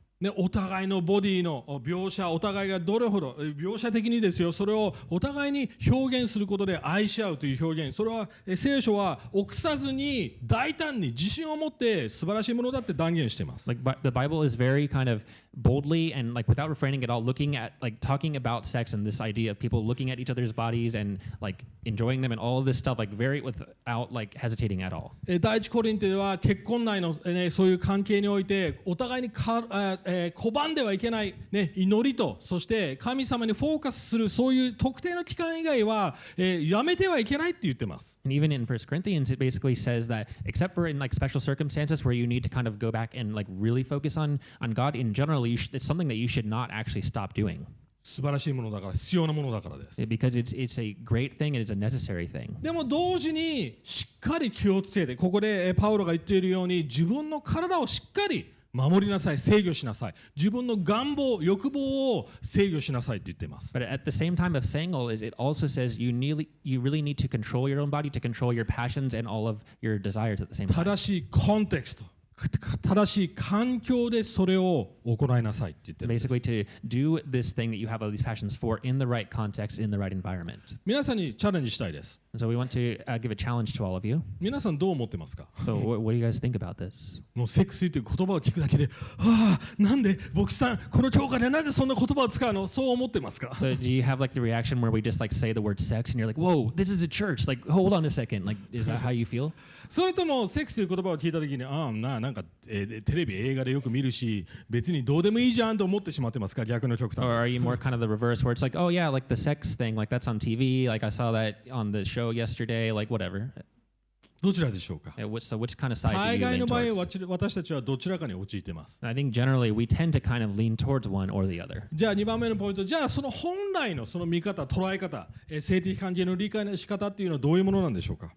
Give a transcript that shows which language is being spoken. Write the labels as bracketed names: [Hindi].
[Japanese] ね、お互いのボディの描写、お互いがどれほど描写的にですよ、それをお互いに表現することで愛し合うという表現、それは聖書は臆さずに大胆に自信を持って素晴らしいものだって断言しています。 [English] Like, but the Bible is very kind of boldly and like without refraining at all, looking at like talking about sex and this idea of people looking at each other's bodies and like enjoying them and all of this stuff, like very without like hesitating at all. [Japanese] 第一コリントでは結婚内の、ね、そういう関係においてお互いに拒んではいけない、ね、祈りとそして神様にフォーカスするそういう特定の期間以外は、やめてはいけないって言ってます。 [English] And even in 1 Corinthians, it basically says that except for in like special circumstances where you need to kind of go back and like really focus on God in general, it's something that you should not actually stop doing. [Japanese] 素晴らしいものだから必要なものだからです。 [English] Because it's a great thing and it's a necessary thing. [Japanese] でも同時にしっかり気をつけて、ここでパウロが言っているように自分の体をしっかり守りなさい、制御しなさい。自分の願望、欲望を制御しなさいと言っています。 [English] But at the same time of saying all is, it also says you really need to control your own body, to control your passions and all of your desires at the same time. [Japanese] 正しいコンテクスト。正しい環境でそれを行いなさいって言ってるんです [English] Basically, to do this thing that you have all these passions for in the right context, in the right environment. [Japanese] 皆さんにチャレンジしたいです。 [English] So we want to give a challenge to all of you. [Japanese] 皆さんどう思ってますか [English] ？So what do you guys think about this? [Japanese] もうセクシーという言葉を聞くだけで、なんで牧師さんこの教会でなんでそんな言葉を使うの？そう思ってますか [English] ？So do you have like the reaction where we just like say the word sex and you're like, whoa, this is a church? Like, hold on a second. Like, is that how you feel? [Japanese] それともセクシーという言葉を聞いたときに、なんかテレビ映画でよく見るし、別にどうでもいいじゃんと思ってしまってますか？逆の極端。 [English] Or are you more kind of the reverse where it's like, oh yeah, like the sex thing, like that's on TV, like I saw that on the show yesterday, like whatever. [Japanese] どちらでしょうか？ [English] Yeah, so which kind of side do you lean towards? [Japanese] 海外の場合は私たちはどちらかに陥っています。 [English] I think generally we tend to kind of lean towards one or the other. [Japanese] じゃあ2番目のポイント、じゃあその本来のその見方、捉え方、性的関係の理解の仕方っていうのはどういうものなんでしょうか？